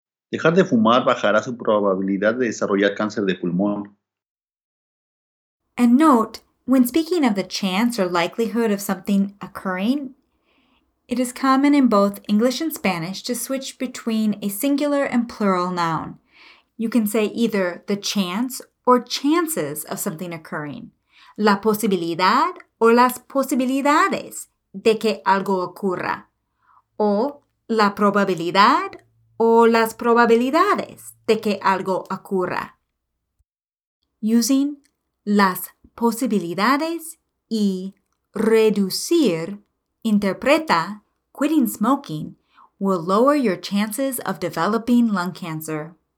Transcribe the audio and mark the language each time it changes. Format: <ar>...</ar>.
<es>Dejar de fumar bajará su probabilidad de desarrollar cáncer de pulmón.</es> <en>And note, when speaking of the chance or likelihood of something occurring, it is common in both English and Spanish to switch between a singular and plural noun. You can say either the chance or chances of something occurring.</en> <es>La posibilidad o las posibilidades de que algo ocurra. O la probabilidad o las probabilidades de que algo ocurra.</es> <en>Using</en> <es>las posibilidades y reducir, interpreta,</es> <en>quitting smoking will lower your chances of developing lung cancer.</en>